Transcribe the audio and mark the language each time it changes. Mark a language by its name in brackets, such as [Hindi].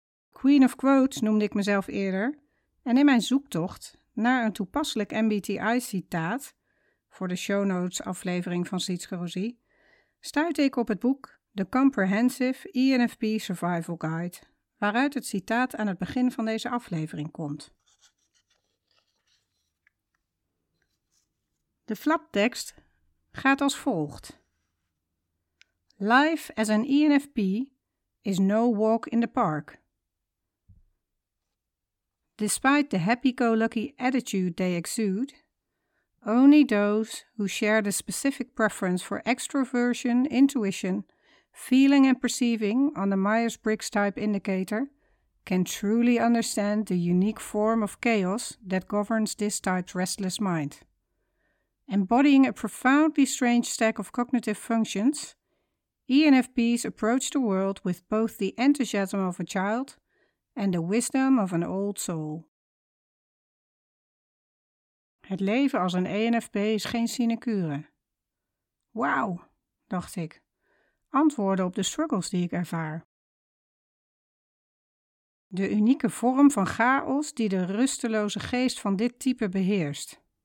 [Dutch] Queen of Quotes noemde ik mezelf eerder en in mijn zoektocht naar een toepasselijk MBTI-citaat voor de show notes aflevering van Sietske Rosie stuitte ik op het boek The Comprehensive ENFP Survival Guide, waaruit het citaat aan het begin van deze aflevering komt. De flaptekst gaat als volgt. [English] Life as an ENFP is no walk in the park. Despite the happy-go-lucky attitude they exude, only those who share the specific preference for extroversion, intuition, feeling and perceiving on the Myers-Briggs type indicator can truly understand the unique form of chaos that governs this type's restless mind. Embodying a profoundly strange stack of cognitive functions, ENFPs approach the world with both the enthusiasm of a child and the wisdom of an old soul. [Dutch] Het leven als een ENFP is geen sinecure. Wauw, dacht ik, antwoorden op de struggles die ik ervaar. De unieke vorm van chaos die de rusteloze geest van dit type beheerst.